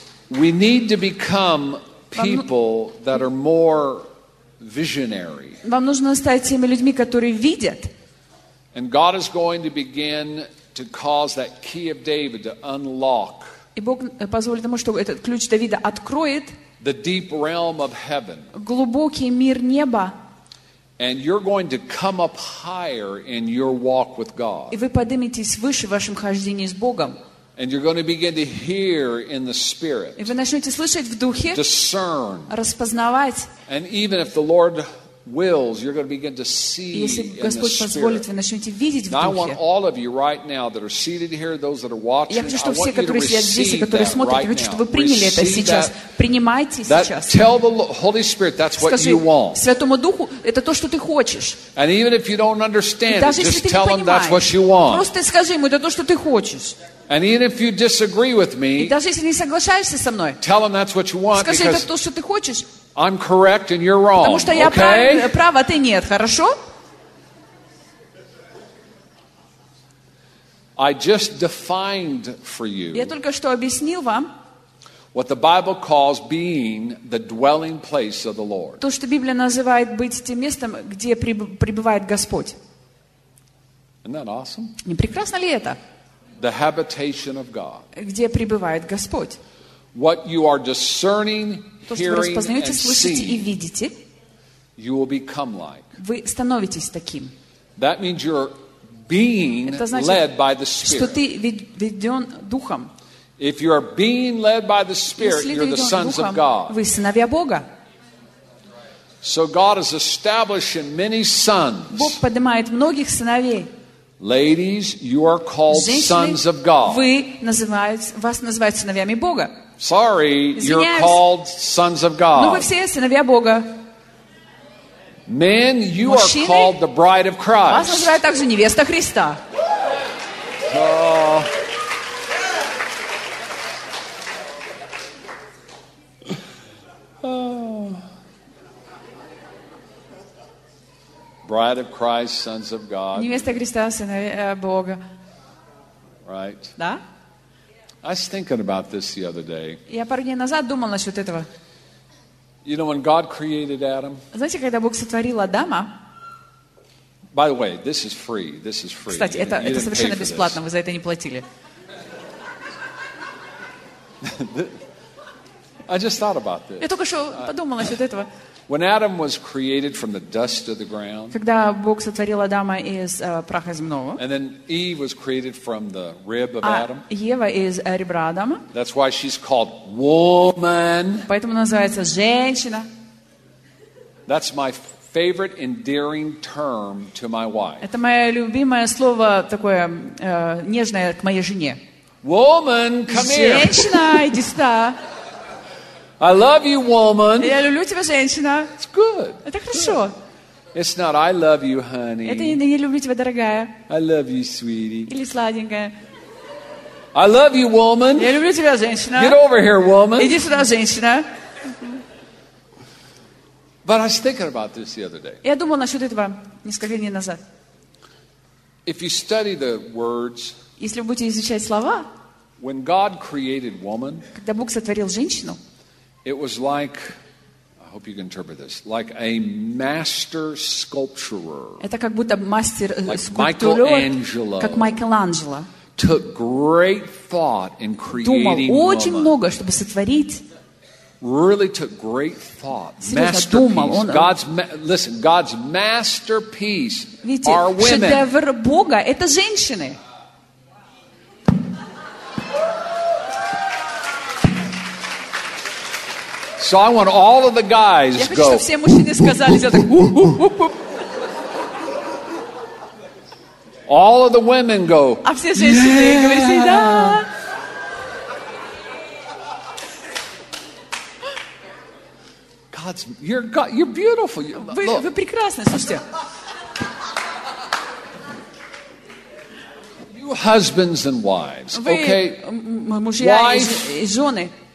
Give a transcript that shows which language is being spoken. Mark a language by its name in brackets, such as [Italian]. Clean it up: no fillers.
[English] We need to become people that are more visionary. [Russian] Вам нужно стать теми людьми, которые видят. [English] And God is going to begin to cause that key of David to unlock. [Russian] И Бог позволит тому, чтобы этот ключ Давида откроет. [English] The deep realm of heaven. [Russian] Глубокий мир неба. [English] And you're going to come up higher in your walk with God. [Russian] И вы подниметесь выше в вашем хождении с Богом. [English] And you're going to begin to hear in the spirit. [Russian] И вы начнете слышать в духе. [English] Discern. [Russian] Распознавать. [English] And even if the Lord wills, you're going to begin to see in the spirit. [Russian] Если Господь позволит, вы начнете видеть в духе. [English] Now I want all of you right now that are seated here, those that are watching. [Russian] Я хочу, чтобы все, которые сидят здесь и которые смотрят, я хочу, чтобы вы приняли это сейчас. Принимайте сейчас. [English] Tell the Holy Spirit that's what you want. [Russian] Скажи Святому Духу, это то, что ты хочешь. [English] And even if you don't understand, just tell him that's what you want. [Russian] Просто скажи ему, это то, что ты хочешь. [English] And even if you disagree with me, [Russian] и даже если не соглашаешься со мной, [English] tell him that's what you want, [Russian] скажи, это то, что ты хочешь. [English] I'm correct and you're wrong. [Russian] Потому что [English] okay? [Russian] Я прав, а ты нет, хорошо? [English] I just defined for you. [Russian] Я только что объяснил вам. [English] What the Bible calls being the dwelling place of the Lord. [Russian] То, что Библия называет быть тем местом, где пребывает Господь. [English] Isn't that awesome? [Russian] Не прекрасно ли это? [English] The habitation of God. [Russian] Где пребывает Господь? [English] What you are discerning, hearing, and seeing. [Russian] То, что вы распознаете, слышите и видите. [English] You will become like. [Russian] Вы становитесь таким. [English] That means you're being led by the Spirit. [Russian] Что ты ведён духом. [English] If you are being led by the Spirit, you're the sons of God. [Russian] Вы сыновья Бога. [English] So God is establishing many sons. [Russian] Бог поднимает многих сыновей. [English] Ladies, you are called [Russian] Женщины, [English] sons of God. [Russian] Вы вас называют сыновьями Бога. [English] Sorry, [Russian] Извиняюсь. [English] You're called sons of God. [Russian] Но вы все сыновья Бога. [English] Men, you [Russian] Мужчины, [English] are called the bride of Christ. [Russian] Вас называют также невеста Христа. [English] Bride of Christ, sons of God. [Russian] Невеста Христа, сыновья Бога. [English] Right. [Russian] Да? [English] I was thinking about this the other day. [Russian] Я пару дней назад думал насчет этого. [English] You know, when God created Adam. [Russian] Знаете, когда Бог сотворил Адама? [English] By the way, this is free. This is free. [Russian] Кстати, это совершенно бесплатно. Вы за это не платили. [English] I just thought about this. [Russian] Я только что подумал насчет этого. [English] When Adam was created from the dust of the ground. [Russian] Когда Бог сотворил Адама из праха земного. [English] And then Eve was created from the rib of Adam. [Russian] Ева из ребра Адама. [English] That's why she's called woman. [Russian] Поэтому называется женщина. [English] That's my favorite endearing term to my wife. [Russian] Это мое любимое слово такое нежное к моей жене. [English] Woman, come here. [Russian] Женщина, иди сюда. [English] I love you, woman. [Russian] Я люблю тебя, женщина. [English] It's good. [Russian] Это хорошо. [English] It's not I love you, honey. [Russian] Это не я люблю тебя, дорогая. [English] I love you, sweetie. [Russian] Или сладенькая. [English] I love you, woman. [Russian] Я люблю тебя, женщина. [English] Get over here, woman. [Russian] Иди сюда, женщина. [English] But I was thinking about this the other day. [Russian] Я думал насчет этого несколько дней назад. [English] If you study the words, [Russian] если вы будете изучать слова, [English] when God created woman, [Russian] когда Бог сотворил женщину, [English] it was like, I hope you can interpret this, like a master sculptor. [Russian] Это как будто мастер скульптор, как Майкеланджело. [English] Took great thought in creating woman. [Russian] Думал очень много, чтобы сотворить. [English] Really took great thought. Masterpiece. God's listen. God's masterpiece. [Russian] Видите, [English] are women. [Russian] Шедевр Бога — это женщины. [English] So I want all of the guys go. [Russian] Я хочу, чтобы все мужчины сказали это. [English] All of the women go. [Russian] А все женщины говорите да. [English] God's, you're God, you're beautiful. You're, [Russian] вы, вы прекрасны, слушайте. [English] You husbands and wives, okay? [Russian] Мужья [English] wife, [Russian] и жены.